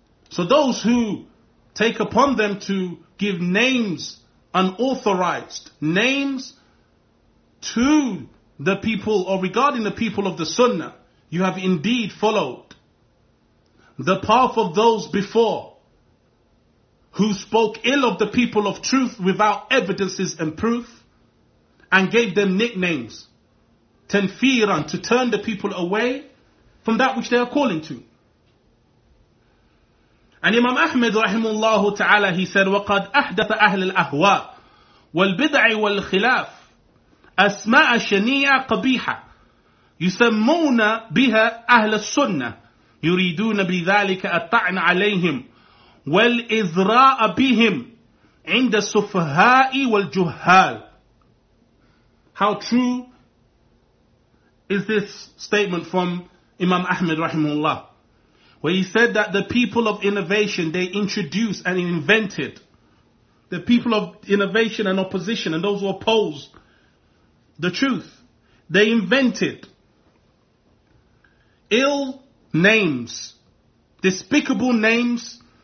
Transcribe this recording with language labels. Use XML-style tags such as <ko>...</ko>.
<en>So those who take upon them to give names, unauthorized names to the people or regarding the people of the Sunnah, you have indeed followed the path of those before, who spoke ill of the people of truth without evidences and proof, and gave them nicknames, tanfiran, to turn the people away from that which they are calling to. And Imam Ahmed rahimullah ta'ala, he said,</en> <ar>وَقَدْ أَحْدَثَ أَهْلِ الْأَهْوَىٰ وَالْبِدْعِ وَالْخِلَافِ أَسْمَاءَ شَنِيعَ قَبِيحَ يُسَمُّونَ بِهَا أَهْلَ السُّنَّةِ يُرِيدُونَ بِذَلِكَ الطَّعْنَ عَلَيْهِمْ وَالْإِذْرَاءَ بِهِمْ عِنْدَ السُّفْهَاءِ وَالْجُهَّالِ.</ar> <en>How true is this statement from Imam Ahmed rahimullah, where he said that the people of innovation, they introduced and invented, the people of innovation and opposition and those who oppose the truth, they invented ill names, despicable names,</en>